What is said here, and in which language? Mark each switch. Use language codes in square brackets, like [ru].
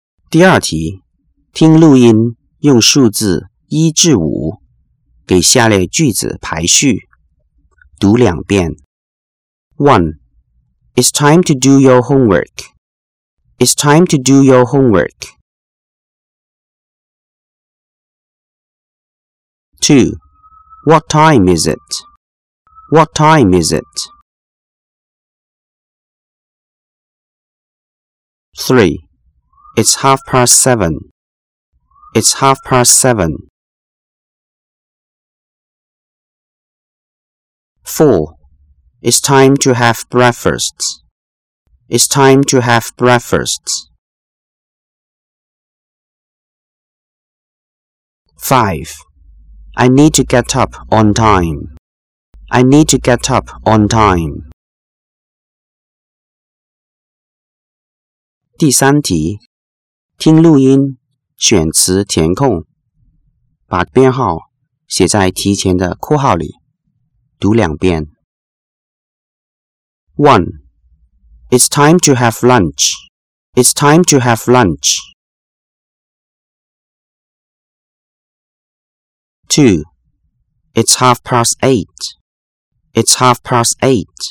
[zh] 第二题，听录音，用数字一至五。给下列句子排序，读两遍。 [en] One, it's time to do your homework. It's time to do your homework. Two, what time is it? What time is it? Three, it's 7:30. It's 7:30. Four, it's time to have breakfast. It's time to have breakfast. Five, I need to get up on time. I need to get up on time. [zh] 第三题，听录音，选词填空，把编号写在提前的括号里。读两遍。 [en] One, it's time to have lunch. It's time to have lunch. Two, it's 8:30. It's 8:30.